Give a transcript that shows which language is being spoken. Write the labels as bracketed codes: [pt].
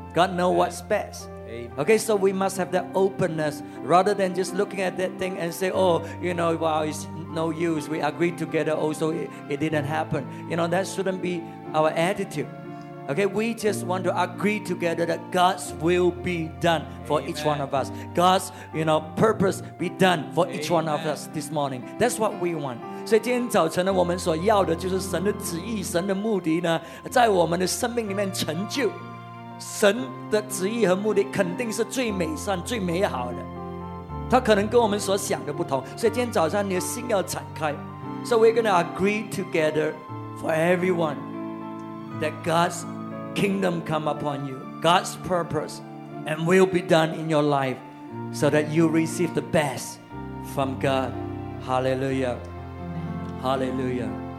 [en] God knows what's best. Okay, so we must have that openness rather than just looking at that thing and say, oh, you know, wow, it's no use. We agreed together, also, it didn't happen. You know, that shouldn't be our attitude. Okay, we just want to agree together that God's will be done for Amen. Each one of us. God's, you know, purpose be done for Amen. Each one of us this morning. That's what we want. [zh] 所以今天早晨呢，我们所要的就是神的旨意，神的目的呢，在我们的生命里面成就。神的旨意和目的肯定是最美善、最美好的。它可能跟我们所想的不同。所以今天早上你的心要敞开。 [en] So we're going to agree together for everyone. That God's kingdom come upon you, God's purpose and will be done in your life so that you receive the best from God. Hallelujah. Hallelujah.